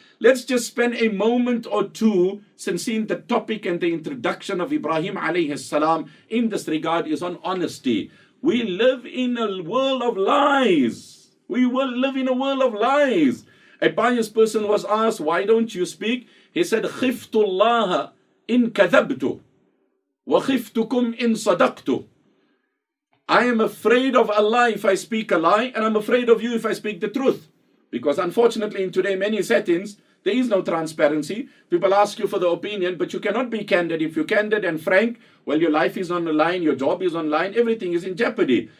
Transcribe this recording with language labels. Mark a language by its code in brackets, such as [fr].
[en] Let's just spend a moment or two, since seeing the topic and the introduction of Ibrahim alayhi salam in this regard is on honesty. We live in a world of lies. We will live in a world of lies. A pious person was asked, why don't you speak? He said, [ar] خِفْتُ اللَّهَ إِن كَذَبْتُ وَخِفْتُكُمْ إِن صَدَقْتُ. [en] I am afraid of Allah if I speak a lie, and I'm afraid of you if I speak the truth. Because unfortunately in today many settings, there is no transparency. People ask you for the opinion, but you cannot be candid. If you're candid and frank, well, your life is on the line, your job is on the line, everything is in jeopardy.